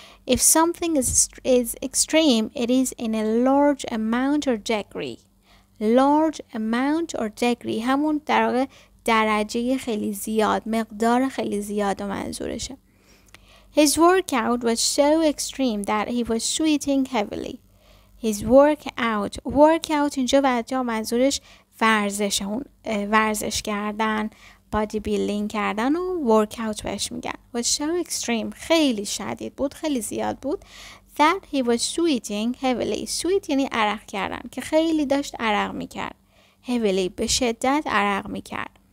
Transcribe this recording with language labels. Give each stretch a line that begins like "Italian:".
English: If something is extreme, it is in a large amount or degree. Large amount or degree
Persian: همون در واقع درجه خیلی زیاد، مقدار خیلی زیاد و منظورشه.
English: His workout was so extreme that he was sweating heavily. His workout.
Persian: Workout اینجا بچه‌ها منظورش ورزشه. اون ورزش کردن، بادی بیلدینگ کردن و workout بهش میگن.
English: Was so extreme.
Persian: خیلی شدید بود، خیلی زیاد بود.
English: That he was sweating heavily.
Persian: Sweat یعنی عرق کردن، که خیلی داشت عرق میکرد. Heavily به شدت عرق میکرد.